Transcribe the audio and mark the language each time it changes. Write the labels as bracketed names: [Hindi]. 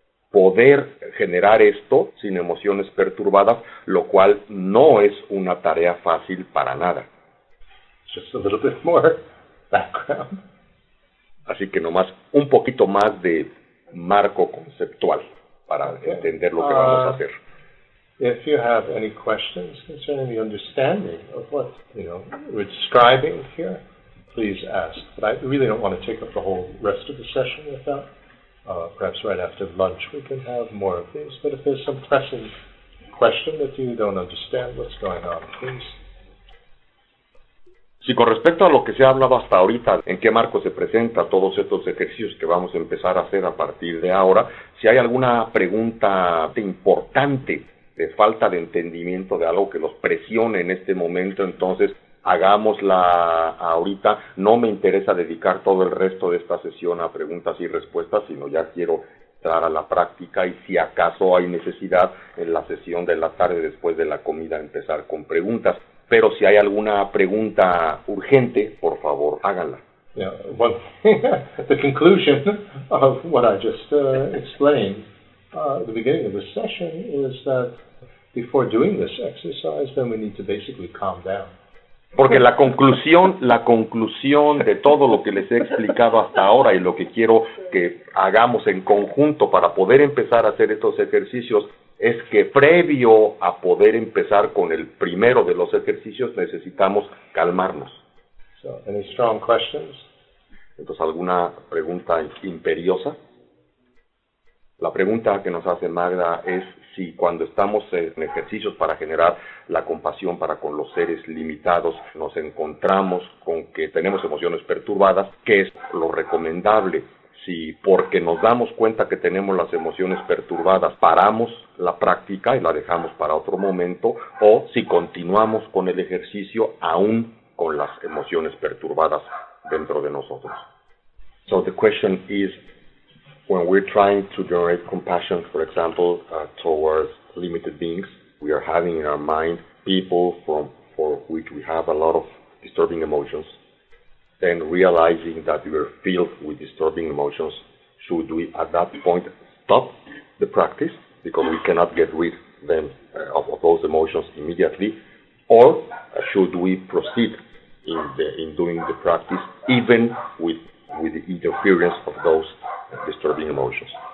[Spanish] Poder generar esto sin emociones perturbadas, lo cual no es una tarea fácil para nada. [English] Just a little bit more background. [Spanish] Así que nomás un poquito más de marco conceptual para entender lo que vamos a hacer. [English] If you have any questions concerning the understanding of what, you know, we're describing here, please ask. But I really don't want to take up the whole rest of the session with that. Perhaps right after lunch we can have more of these. But if there's some pressing question that you don't understand what's going on, please. [Spanish] Si con respecto a lo que se ha hablado hasta ahorita, en qué marco se presenta todos estos ejercicios que vamos a empezar a hacer a partir de ahora, si hay alguna pregunta importante de falta de entendimiento de algo que los presione en este momento, entonces hagámosla ahorita. No me interesa dedicar todo el resto de esta sesión a preguntas y respuestas, sino ya quiero entrar a la práctica y si acaso hay necesidad en la sesión de la tarde después de la comida empezar con preguntas. Pero si hay alguna pregunta urgente, por favor, háganla. [English] Yeah, well, the conclusion of what I just explained at the beginning of the session is that before doing this exercise, then we need to basically calm down. [Spanish] Porque la conclusión de todo lo que les he explicado hasta ahora y lo que quiero que hagamos en conjunto para poder empezar a hacer estos ejercicios es que previo a poder empezar con el primero de los ejercicios necesitamos calmarnos. [English] So, any strong questions? [Spanish] Entonces, ¿alguna pregunta imperiosa? La pregunta que nos hace Magda es si cuando estamos en ejercicios para generar la compasión para con los seres limitados, nos encontramos con que tenemos emociones perturbadas, ¿qué es lo recomendable? Si porque nos damos cuenta que tenemos las emociones perturbadas, paramos la práctica y la dejamos para otro momento, o si continuamos con el ejercicio aún con las emociones perturbadas dentro de nosotros. [English] So the question is, when we're trying to generate compassion, for example, towards limited beings, we are having in our mind people for which we have a lot of disturbing emotions, then realizing that we are filled with disturbing emotions, should we at that point stop the practice because we cannot get rid then of those emotions immediately, or should we proceed in doing the practice even with the interference of those disturbing emotions?